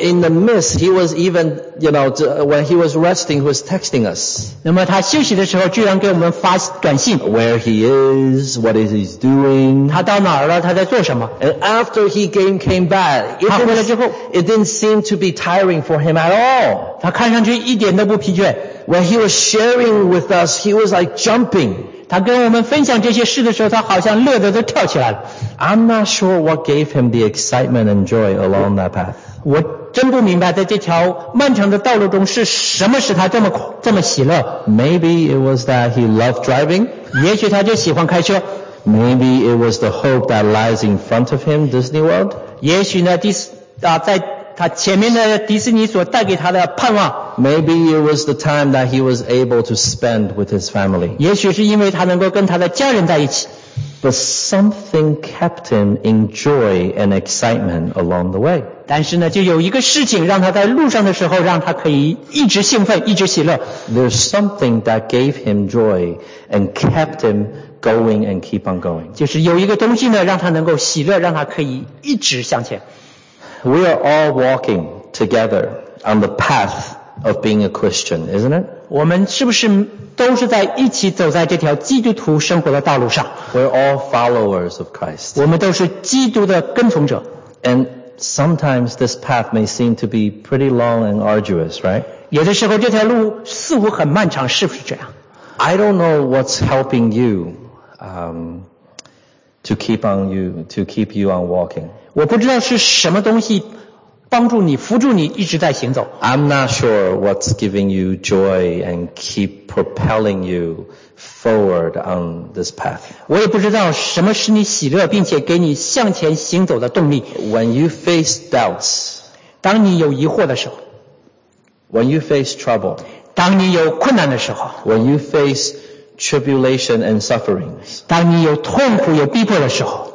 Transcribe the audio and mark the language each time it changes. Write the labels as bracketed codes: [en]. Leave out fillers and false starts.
[en] In the midst, he was even, you know, when he was resting, he was texting us. [zh] 那么他休息的时候居然给我们发短信。 [en] Where he is, what is he doing. [zh] 他到哪儿了，他在做什么。 [en] And after he came back, [zh] 他回来之后 [en] it didn't seem to be tiring for him at all. [zh] 他看上去一点都不疲倦。 [en] When he was sharing with us, he was like jumping. [zh] 他跟我们分享这些事的时候，他好像乐得都跳起来了。 [en] I'm not sure what gave him the excitement and joy along that path. [zh] 我真不明白在这条漫长的道路中是什么使他这么喜乐。 [en] Maybe it was that he loved driving. [zh] 也许他就喜欢开车。 [en] Maybe it was the hope that lies in front of him, Disney World. [zh] 也许呢，在他前面的迪士尼所带给他的盼望。 [en] Maybe it was the time that he was able to spend with his family. [zh] 也许是因为他能够跟他的家人在一起。 [en] But something kept him in joy and excitement along the way. [zh] 但是呢，就有一个事情让他在路上的时候，让他可以一直兴奋，一直喜乐。 [en] There's something that gave him joy and kept him going and keep on going. [zh] 就是有一个东西呢，让他能够喜乐，让他可以一直向前。 [en] We are all walking together on the path of being a Christian, isn't it? [zh] 我们是不是都是在一起走在这条基督徒生活的道路上？ [en] We're all followers of Christ. [zh] 我们都是基督的跟从者。 [en] And sometimes this path may seem to be pretty long and arduous, right? [zh] 有的时候这条路似乎很漫长，是不是这样？ [en] I don't know what's helping you, to keep on you, to keep you on walking. [zh] 我不知道是什么东西帮助你扶住你一直在行走。 [en] I'm not sure what's giving you joy and keep propelling you forward on this path. [zh] 我也不知道什么使你喜乐并且给你向前行走的动力。 [en] When you face doubts, [zh] 当你有疑惑的时候。 [en] When you face trouble, [zh] 当你有困难的时候。 [en] When you face tribulation and sufferings, [zh] 当你有痛苦有逼迫的时候。